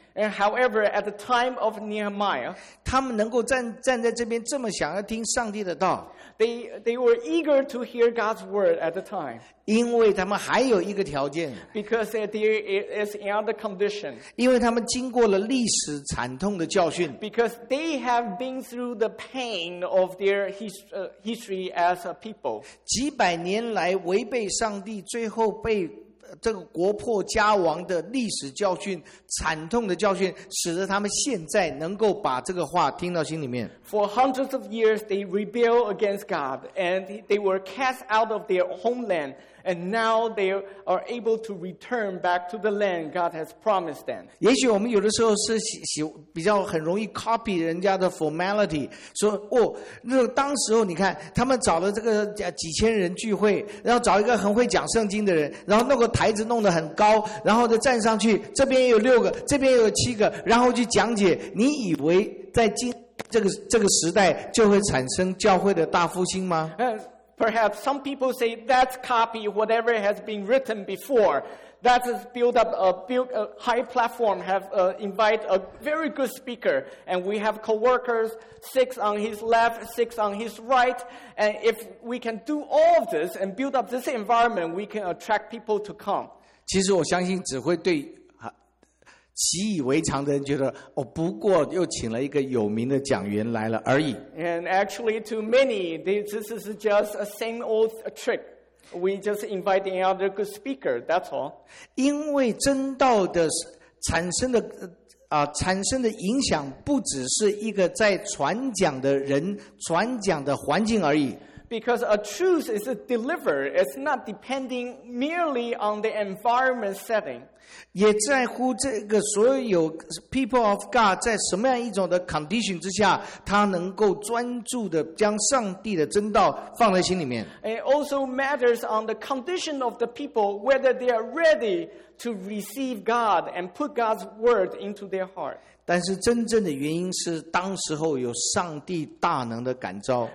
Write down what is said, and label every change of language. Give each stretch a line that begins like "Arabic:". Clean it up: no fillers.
English: And however, at the time of Nehemiah,
Chinese: 他们能够站在这边这么想要听上帝的道。
English: They were eager to hear God's word at the time.
Chinese: 因为他们还有一个条件。
English: Because there is another condition.
Chinese: 因为他们经过了历史惨痛的教训。
English: Because they have been through the pain of their history as a people.
Chinese: 几百年来违背上帝，最后被这个国破家亡的历史教训，惨痛的教训，使得他们现在能够把这个话听到心里面。
English: For hundreds of years, they rebelled against God, and they were cast out of their homeland, and now they are able to return back to the land God has promised them.
Chinese: 也许我们有的时候是比较很容易 copy 人家的 formality, 说哦，那个、当时候你看他们找了这个几千人聚会，然后找一个很会讲圣经的人，然后弄个台子弄得很高，然后再站上去，这边有六个，这边有七个，然后去讲解，你以为在今这个时代就会产生教会的大复兴吗？
English: Perhaps some people say that copy whatever has been written before, that has built up a high platform, have invite a very good speaker, and we have co-workers, six on his left, six on his right, and if we can do all of this and build up this environment, we can attract people to come.
Chinese: 其实我相信只会对习以为常的人觉得，哦，不过又请了一个有名的讲员来了而已。
English: And actually, to many, this is just a same old trick. We just invite another good speaker. That's all.
Chinese: 因为真道的产生的产生的影响，不只是一个在传讲的人、传讲的环境而已。
English: Because a truth is delivered, it's not depending merely on the environment setting.
Chinese: 也在乎这个所有
English: people of God
Chinese: 在什么样一种的 condition 之下，他能够专注的将上帝的真道放在心里面。
English: It also matters on the condition of the people, whether they are ready to receive God and put God's word into their heart.
Chinese: 但是真正的原因是当时候有上帝大能的感召。